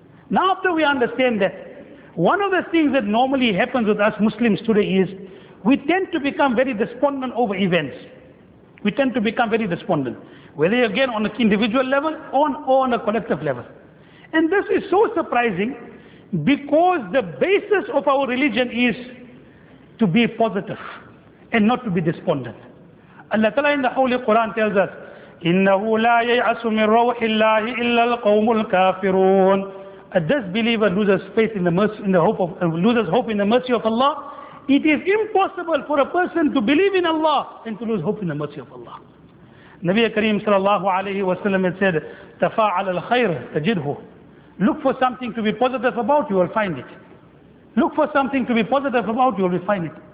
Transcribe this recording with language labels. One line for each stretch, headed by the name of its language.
English: Now after we understand that, one of the things that normally happens with us Muslims today is we tend to become very despondent over events. We tend to become very despondent, whether again on an individual level or on a collective level. And this is so surprising because the basis of our religion is to be positive and not to be despondent. Allah Ta'ala in the Holy Quran tells us,
Arabic: إِنَّهُ لَا يَيْعَسُ مِنْ رَوْحِ اللَّهِ إِلَّا الْقَوْمُ الْكَافِرُونَ.
English: A disbeliever loses faith in the mercy, in the hope of, loses hope in the mercy of Allah. It is impossible for a person to believe in Allah and to lose hope in the mercy of Allah. Nabi Kareem sallallahu alayhi wa sallam had said,
Arabic: تَفَاعَلَ الْخَيْرَ تَجِدْهُ.
English: Look for something to be positive about, you will find it. Look for something to be positive about, you will find it.